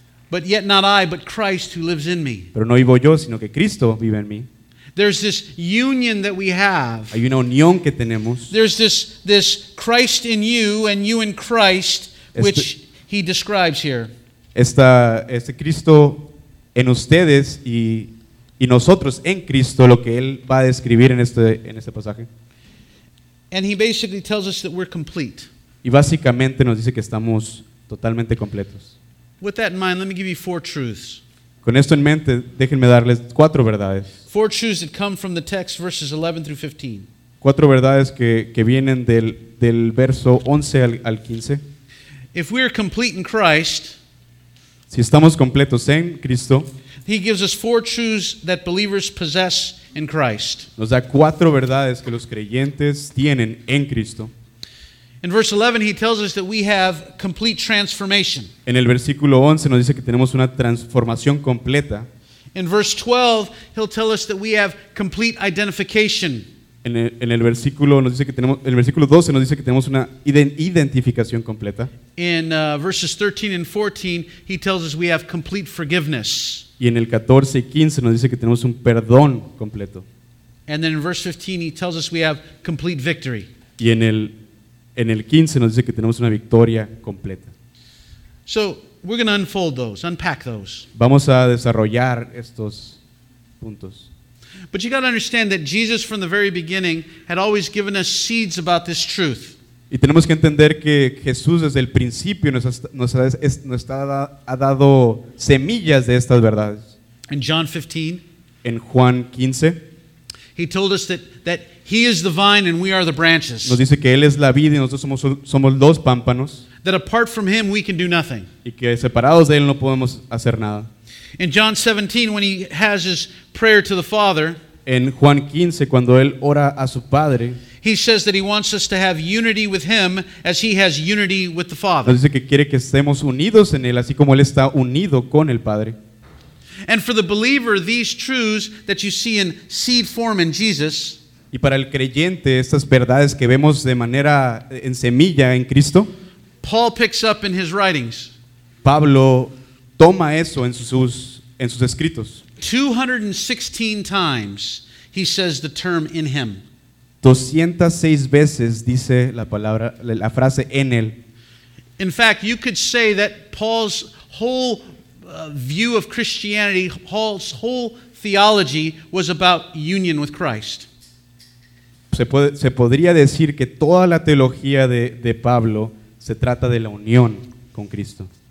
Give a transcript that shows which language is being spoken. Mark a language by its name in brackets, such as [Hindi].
[English] But yet not I, but Christ who lives in me. [Spanish] Pero no vivo yo, sino que Cristo vive en mí. [English] There's this union that we have. [Spanish] Hay una unión que tenemos. [English] There's this Christ in you and you in Christ, which he describes here. [Spanish] Este Cristo en ustedes y nosotros en Cristo, lo que él va a describir en este pasaje. [English] And he basically tells us that we're complete. [Spanish] Y básicamente nos dice que estamos totalmente completos. [English] With that in mind, let me give you four truths. [Spanish] Con esto en mente, déjenme darles cuatro verdades. [English] Four truths that come from the text, verses 11 through 15. [Spanish] Cuatro verdades que vienen del verso 11 al 15. [English] If we are complete in Christ, [Spanish] si estamos completos en Cristo, [English] he gives us four truths that believers possess in Christ. [Spanish] Nos da cuatro verdades que los creyentes tienen en Cristo. [English] In verse 11, he tells us that we have complete transformation. [Spanish] En el versículo 11 nos dice que tenemos una transformación completa. [English] In verse 12, he'll tell us that we have complete identification. [Spanish] En el versículo 12 nos dice que tenemos una identificación completa. [English] In verses 13 and 14, he tells us we have complete forgiveness. [Spanish] Y en el 14 y 15 nos dice que tenemos un perdón completo. [English] And then in verse 15, he tells us we have complete victory. [Spanish] Y en el 15 nos dice que tenemos una victoria completa. [English] So, we're going to unfold those, unpack those. [Spanish] Vamos a desarrollar estos puntos. [English] But you got to understand that Jesus from the very beginning had always given us seeds about this truth. [Spanish] Y tenemos que entender que Jesús desde el principio nos ha dado semillas de estas verdades. [English] In John 15, [Spanish] en Juan 15, [English] he told us that He is the vine and we are the branches. [Spanish] Nos dice que él es la vid y nosotros somos los pámpanos. [English] That apart from him we can do nothing. [Spanish] Y que separados de él no podemos hacer nada. [English] In John 17 when he has his prayer to the Father, [Spanish] en Juan 15 cuando él ora a su padre, [English] he says that he wants us to have unity with him as he has unity with the Father. [Spanish] Nos dice que quiere que estemos unidos en él así como él está unido con el Padre. [English] And for the believer these truths that you see in seed form in Jesus, [Spanish] y para el creyente, estas verdades que vemos de manera en semilla en Cristo, [English] Paul picks up in his writings. [Spanish] Pablo toma eso en sus escritos. [English] 216 times he says the term in him. [Spanish] 206 veces dice la frase en él. [English] In fact, you could say that Paul's whole view of Christianity, Paul's whole theology was about union with Christ. [Spanish] Se podría decir que toda la teología de Pablo se trata de la unión con Cristo.